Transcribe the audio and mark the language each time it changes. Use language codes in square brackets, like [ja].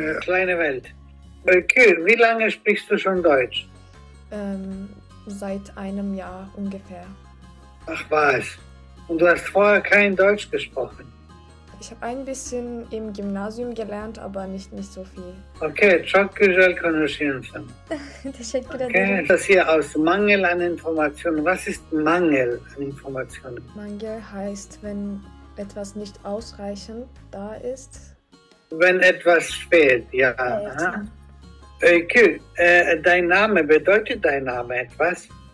[de] Kleine Welt. Okay, wie lange sprichst du schon Deutsch? Seit einem Jahr ungefähr. Ach was. Und du hast vorher kein Deutsch gesprochen? Ich habe ein bisschen im Gymnasium gelernt, aber nicht so viel. [tr] Okay, çok güzel konuşuyorsun. Teşekkür ederim. [de] Okay, das hier aus Mangel an Informationen. Was ist Mangel an Informationen? Mangel heißt, wenn etwas nicht ausreichend da ist. Wenn etwas fehlt, ja. Okay, dein Name, bedeutet dein Name etwas?